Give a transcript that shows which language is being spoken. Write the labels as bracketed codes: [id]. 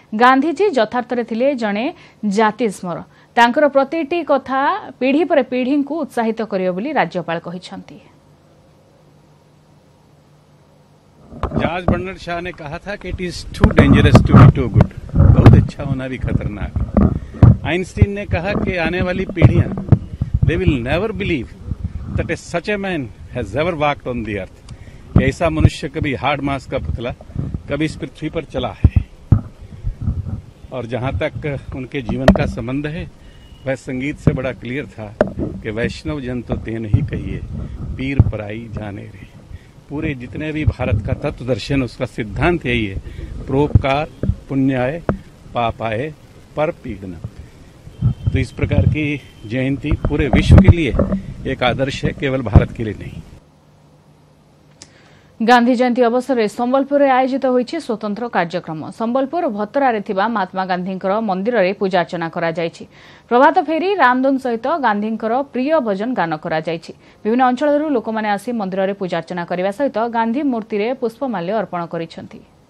[or] ଗାନ୍ଧିଜୀ ଯଥାର୍ଥରେ ଥିଲେ ଜଣେ ଜାତିସ୍ମର, ତାଙ୍କର ପ୍ରତିଟି କଥା ପିଢ଼ି ପରେ ପିଢ଼ିଙ୍କୁ ଉତ୍ସାହିତ କରିବ ବୋଲି ରାଜ୍ୟପାଳ କହିଛନ୍ତି। [hi] आइंस्टीन ने कहा कि आने वाली पीढ़ियां [en] They will never believe that a such a man has ever walked on the earth. [hi] ऐसा मनुष्य कभी हार्ड मास का पुतला कभी इस पृथ्वी पर चला है, और जहां तक उनके जीवन का संबंध है वह संगीत से बड़ा क्लियर था कि [gu] वैष्णव जन तो तेन ही कहिए पीर पराई जाने रे। [hi] पूरे जितने भी भारत का तत्व दर्शन उसका सिद्धांत यही है, [sa] परोपकार पुण्याय पापाय पर पीड़न। [hi] तो इस प्रकार की जयंती पूरे विश्व के लिए एक आदर्श है, केवल भारत के लिए नहीं। [or] ଗାନ୍ଧୀ ଜୟନ୍ତୀ ଅବସରରେ ସମ୍ବଲପୁରରେ ଆୟୋଜିତ ହୋଇଛି ସ୍ୱତନ୍ତ୍ର କାର୍ଯ୍ୟକ୍ରମ। ସମ୍ବଲପୁର ଭତରାରେ ଥିବା ମହାତ୍ମା ଗାନ୍ଧୀଙ୍କର ମନ୍ଦିରରେ ପୂଜାର୍ଚ୍ଚନା କରାଯାଇଛି। ପ୍ରଭାତ ଫେରି ରାମଧୁନ ସହିତ ଗାନ୍ଧୀଙ୍କର ପ୍ରିୟ ଭଜନ ଗାନ କରାଯାଇଛି। ବିଭିନ୍ନ ଅଞ୍ଚଳରୁ ଲୋକମାନେ ଆସି ମନ୍ଦିରରେ ପୂଜାର୍ଚ୍ଚନା କରିବା ସହିତ ଗାନ୍ଧୀ ମୂର୍ତ୍ତିରେ ପୁଷ୍ପମାଲ୍ୟ ଅର୍ପଣ କରିଛନ୍ତି।